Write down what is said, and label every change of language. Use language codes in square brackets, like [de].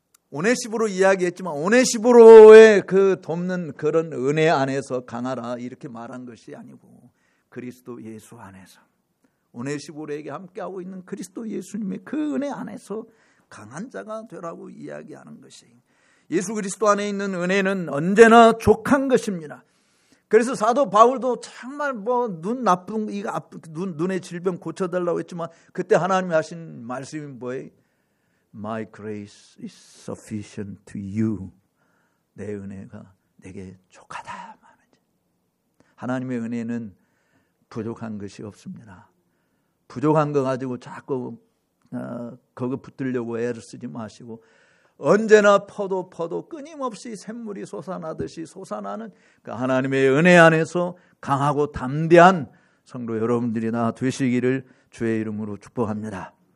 [ko] 오네시보로 이야기했지만 오네시보로의 그 돕는 그런 은혜 안에서 강하라 이렇게 말한 것이 아니고 그리스도 예수 안에서 오네시보로에게 함께하고 있는 그리스도 예수님의 그 은혜 안에서 강한 자가 되라고 이야기하는 것이 예수 그리스도 안에 있는 은혜는 언제나 족한 것입니다. 그래서 사도 바울도 정말 뭐 눈 나쁜 이거 눈의 질병 고쳐달라고 했지만 그때 하나님이 하신 말씀이 뭐예요? [en] My grace is sufficient to you. [ko] 내 은혜가 내게 족하다. 하나님의 은혜는 부족한 것이 없습니다. 부족한 거 가지고 자꾸 거기 붙들려고 애를 쓰지 마시고 언제나 퍼도 끊임없이 샘물이 솟아나듯이 솟아나는 그 하나님의 은혜 안에서 강하고 담대한 성도 여러분들이 나 되시기를 주의 이름으로 축복합니다.